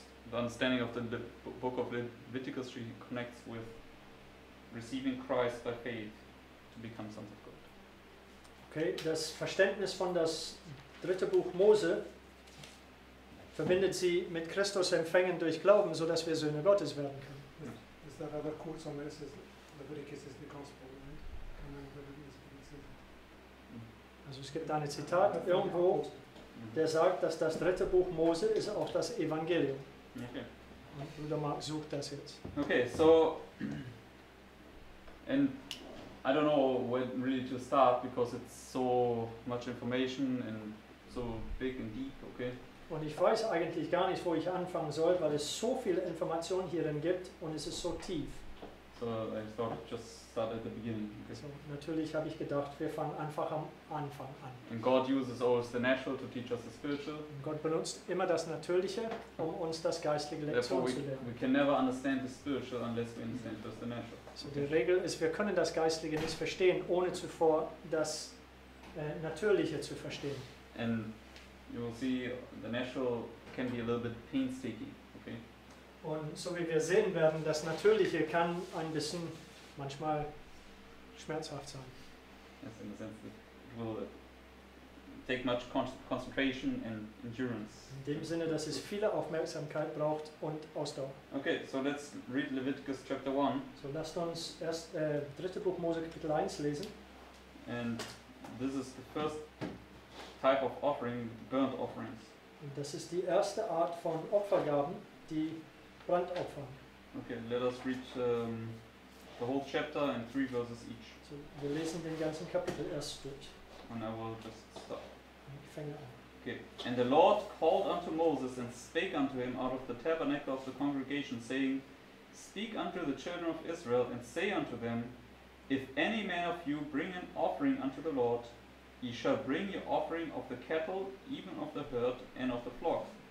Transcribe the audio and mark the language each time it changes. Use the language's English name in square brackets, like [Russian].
[English] The understanding of the book of Leviticus connects with receiving Christ by faith to become sons of God. [German] Okay, das Verständnis von das dritte Buch Mose verbindet sie mit Christus empfangen durch Glauben, so dass wir Söhne Gottes werden können. [English] Is that rather quotes on this? Is Leviticus is the gospel, right? [German] Also es gibt da ein Zitat irgendwo, der sagt, dass das dritte Buch Mose ist auch das Evangelium. [English] Okay. Okay, so, and I don't know when really to start because it's so much information and so big and deep, okay? [German] Und ich weiß eigentlich gar nicht, wo ich anfangen soll, weil es so viel Information hierin gibt und es ist so tief. [English] So I thought just start at the beginning. Okay. [German] So natürlich habe ich gedacht, wir fangen einfach am Anfang an. [English] And God uses always the natural to teach us the spiritual. [German] Und Gott benutzt immer das Natürliche, um uns das Geistliche Lektion zu lernen. [English] We can never understand the spiritual unless we understand just the natural. [German] So die Regel ist, wir können das Geistliche nicht verstehen, ohne zuvor das natürlicher zu verstehen. [English] And you will see the natural can be a little bit painstaking, okay? [German] Und so wie wir sehen werden, das Natürliche kann ein bisschen manchmal schmerzhaft sein. [English] Yes, in the sense that it will take much concentration and endurance. [German] In dem Sinne, dass es viel Aufmerksamkeit braucht und Ausdauer. [English] Okay, so let's read Leviticus chapter 1. [German] So lasst uns erst dritte Buch Mose Kapitel 1 lesen. [English] And this is the first type of offering, burnt offerings. [German] Und das ist die erste Art von Opfergaben, die Brandopfer. [English] Okay, let us read the whole chapter and 3 verses each. [German] So, wir lesen den ganzen Kapitel erst durch. [English] And I will just stop. [German] Ich fange an. [English] Okay. And the Lord called unto Moses and spake unto him out of the tabernacle of the congregation, saying, Speak unto the children of Israel, and say unto them, If any man of you bring an offering unto the Lord, ye shall bring your offering of the cattle, even of the herd, and of the flock.